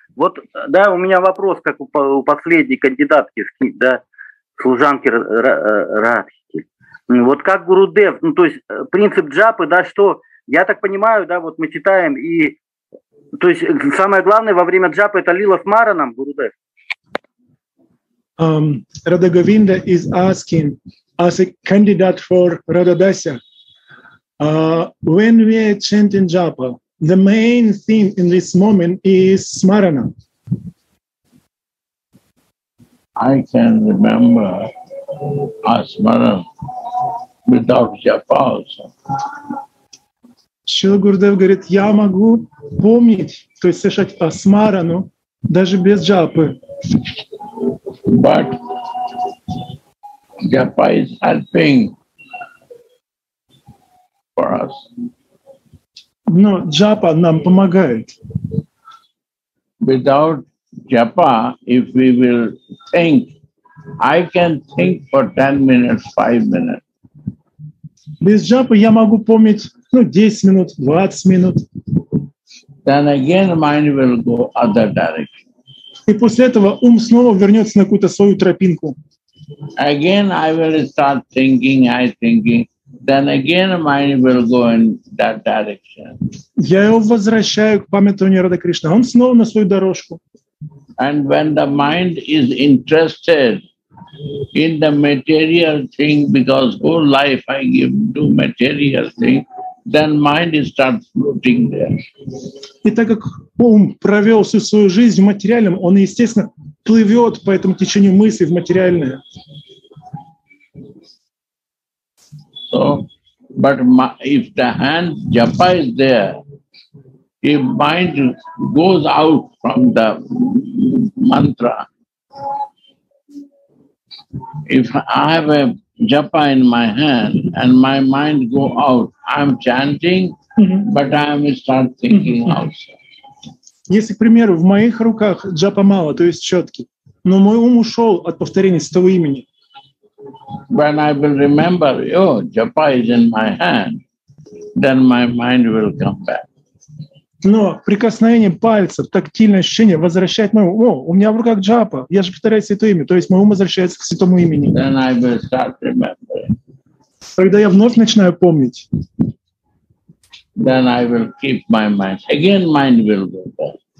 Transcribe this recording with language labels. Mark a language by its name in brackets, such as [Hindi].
[Russian] Вот, да, у меня вопрос, как у последней кандидатки, да, служанки Радхи. Вот как Гурудев, ну то есть принцип джапы, да, что я так понимаю, да, вот мы читаем, и то есть самое главное во время джапы это лила с маранам, Гурудев. [English] Radha Govinda is asking as a candidate for Radha Dasya, when we are chanting japa, the main thing in this moment is smarana. I can remember asmaran without japa also. [Russian] Шрила Гурудев говорит, я могу помнить, то есть совершать асмарану даже без джапы. [English] But japa is helping for us. [Russian] Но джапа нам помогает. [English] Without japa, if we will think, I can think for 10 minutes, 5 minutes. [Russian] Без джапы я могу помнить, ну, 10 минут, 20 минут. [English] Then again mind will go other direction. [Russian] И после этого ум снова вернется на какую-то свою тропинку. [English] Again I will start thinking, I thinking. Then again mind will go in that direction. [Russian] Я его возвращаю к памятованию Рады Кришны. Он снова на свою дорожку. [English] And when the mind is interested in the material thing, because whole life I give to material thing, then mind starts floating there. [Russian] И так как ум провел всю свою жизнь в материальном, он, естественно, плывет по этому течению мысли в материальное. [English] So, but if the hand japa is there, if mind goes out from the mantra, if I have a japa in my hand and my mind go out, I'm chanting, but I start thinking also. [Russian] Если, к примеру, в моих руках джапа мало, то есть четки, но мой ум ушел от повторения святого имени. [English] When I will remember, oh, japa is in my hand, then my mind will come back. [Russian] Но прикосновение пальцев, тактильное ощущение возвращает мой ум. О, у меня в руках джапа, я же повторяю святое имя. То есть мой ум возвращается к святому имени. [English] Then I will start remembering. [Russian] Тогда я вновь начинаю помнить. [English] Then I will keep my mind. Again mind will go back.